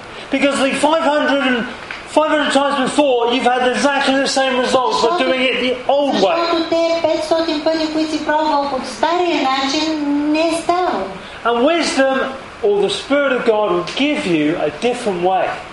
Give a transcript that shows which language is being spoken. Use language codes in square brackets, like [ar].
[en] Because the 500 times before, you've had exactly the same results, but doing it the old way. [bg] Защото те 500 пъти, които си пробвал по стария начин, не е ставало. [en] And wisdom. Or the Spirit of God will give you a different way.